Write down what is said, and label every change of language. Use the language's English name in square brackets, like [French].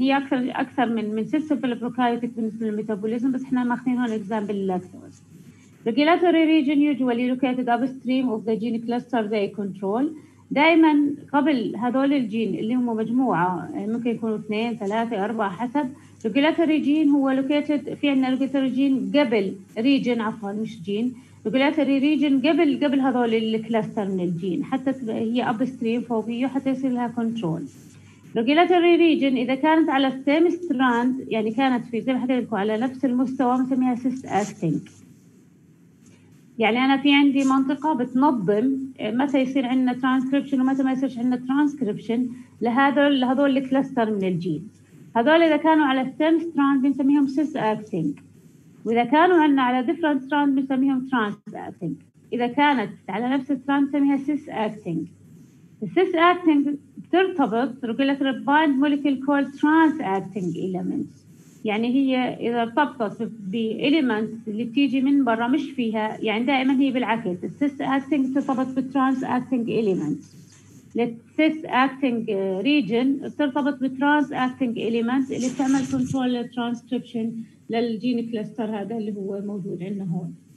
[Arabic] هي أكثر من سلسلة في البروكاريوتيك بالنسبة للميتابوليزم، بس إحنا ماخذين هون إكزامبل اللاكتوز. [English] Regulatory region usually located upstream of the gene cluster they control. [Arabic] دائما قبل هذول الجين اللي هم مجموعه ممكن يكونوا 2 3 4 حسب ريجوليتوري جين هو لوكيتد في عندنا ريجوليتوري جين قبل ريجن عفوا مش جين ريجوليتوري ريجن قبل هذول الكلاستر من الجين حتى هي اب ستريم فوقيه حتى يصير لها كنترول. regulatory region إذا كانت على same strand يعني كانت في زي ما حكيت لكم على نفس المستوى بنسميها cyst acting. يعني أنا في عندي منطقة بتنظم متى يصير عندنا transcription ومتى ما يصيرش عندنا transcription لهذول الكلستر من الجين. هذول إذا كانوا على same strand بنسميهم cyst acting، وإذا كانوا عندنا على different strand بنسميهم trans acting. إذا كانت على نفس strand بنسميها cyst acting. [English] السيس أكتنج [Arabic] ترتبط [English] regulatory bind molecule called trans acting elements. [Arabic] يعني هي إذا ارتبطت بإليمنت اللي تيجي من برا مش فيها، يعني دائما هي بالعكس، السيس أكتنج ترتبط بالtrans acting elements. السيس أكتنج region ترتبط بالtrans acting elements اللي تعمل control transcription للجين كلاستر هذا اللي هو موجود عندنا هون.